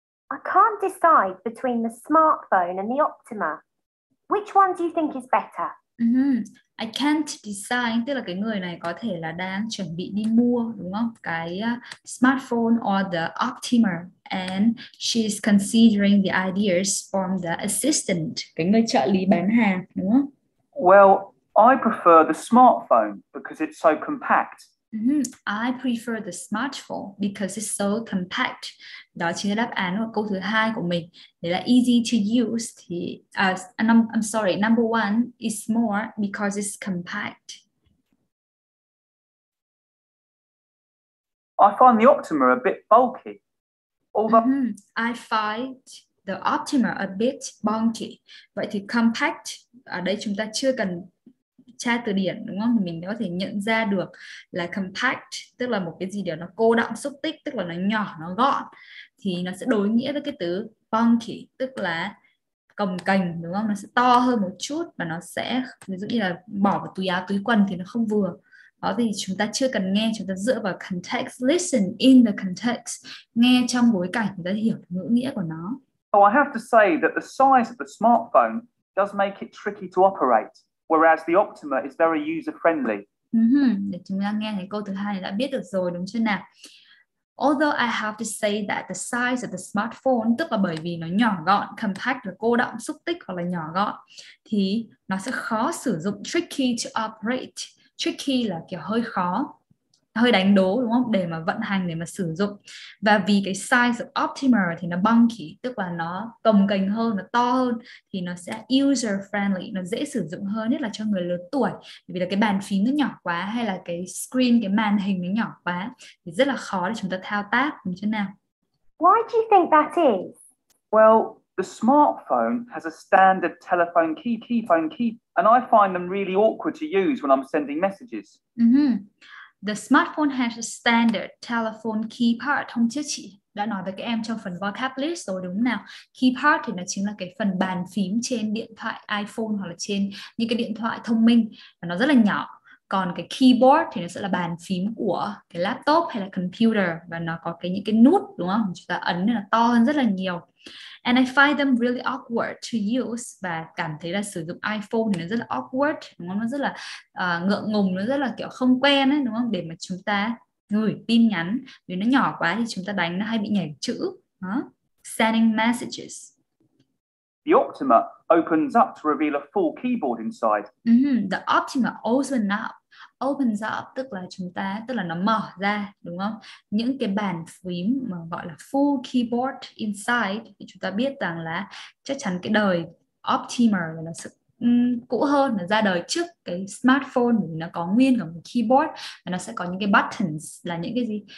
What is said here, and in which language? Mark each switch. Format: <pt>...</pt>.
<en>I can't decide between the smartphone and the Optima. Which one do you think is better? I can't decide,</en> <vi>tức là cái người này có thể là đang chuẩn bị đi mua đúng không?</vi> <en>Cái smartphone or the Optima, and she's considering the ideas from the assistant,</en> <vi>cái người trợ lý bán hàng đúng không?</vi> <en>Well, I prefer the smartphone because it's so compact. Mm-hmm. I prefer the smartphone because it's so compact.</en> <vi>Đó chính là đáp án của câu thứ hai của mình. Đấy là easy to use.</vi> <en>Thì, I'm sorry, number one is small because it's compact. I find the Optima a bit bulky. Although... Mm-hmm. I find the Optima a bit bulky.</en> <vi>Vậy thì compact, ở đây chúng ta chưa cần... tra từ điển đúng không? Thì mình có thể nhận ra được là compact, tức là một cái gì đó nó cô đọng xúc tích, tức là nó nhỏ, nó gọn, thì nó sẽ đối nghĩa với cái từ bulky, tức là cồng kềnh đúng không? Nó sẽ to hơn một chút và nó sẽ ví dụ như là bỏ vào túi áo, túi quần thì nó không vừa. Đó thì chúng ta chưa cần nghe, chúng ta dựa vào context,</vi> <en>listen in the context,</en> <vi>nghe trong bối cảnh chúng ta hiểu ngữ nghĩa của nó.</vi> <en>Oh, I have to say that the size of the smartphone does make it tricky to operate. Whereas the Optima is very user-friendly.</en> <vi>Để chúng ta nghe cái câu thứ hai đã biết được rồi, đúng chưa nào?</vi> <en>Although I have to say that the size of the smartphone,</en> <vi>tức là bởi vì nó nhỏ gọn, compact, cô đọng, xúc tích hoặc là nhỏ gọn, thì nó sẽ khó sử dụng,</vi> <en>tricky to operate.</en> <vi>Tricky là kiểu hơi khó, hơi đánh đố, đúng không? Để mà vận hành, để mà sử dụng. Và vì cái size of Optima thì nó bulky, tức là nó cồng kềnh hơn, nó to hơn, thì nó sẽ user friendly, nó dễ sử dụng hơn, nhất là cho người lớn tuổi. Bởi vì là cái bàn phím nó nhỏ quá, hay là cái screen, cái màn hình nó nhỏ quá, thì rất là khó để chúng ta thao tác, đúng chưa nào?</vi> <en>Why do you think that is? Well, the smartphone has a standard telephone key, key phone key, and I find them really awkward to use when I'm sending messages. The smartphone has a standard telephone key part.</en> <vi>Hôm trước chị đã nói với các em trong phần vocabulary rồi đúng nào? Key part thì nó chính là cái phần bàn phím trên điện thoại iPhone hoặc là trên những cái điện thoại thông minh, và nó rất là nhỏ. Còn cái keyboard thì nó sẽ là bàn phím của cái laptop hay là computer, và nó có cái những cái nút đúng không? Chúng ta ấn nên là to hơn rất là nhiều.</vi> <en>And I find them really awkward to use.</en> <vi>Và cảm thấy là sử dụng iPhone thì nó rất là awkward, đúng không? Nó rất là ngượng ngùng, nó rất là kiểu không quen ấy, đúng không? Để mà chúng ta gửi tin nhắn, vì nó nhỏ quá thì chúng ta đánh nó hay bị nhảy chữ.</vi> <en>Sending messages. The Optima opens up to reveal a full keyboard inside. The Optima opens up,</en> <vi>tức là chúng ta, tức là nó mở ra, đúng không? Những cái bàn phím mà gọi là full keyboard inside, thì chúng ta biết rằng là chắc chắn cái đời Optima là nó sẽ cũ hơn, nó ra đời trước cái smartphone, thì nó có nguyên cả một keyboard, và nó sẽ có những cái buttons, là những cái gì?</vi>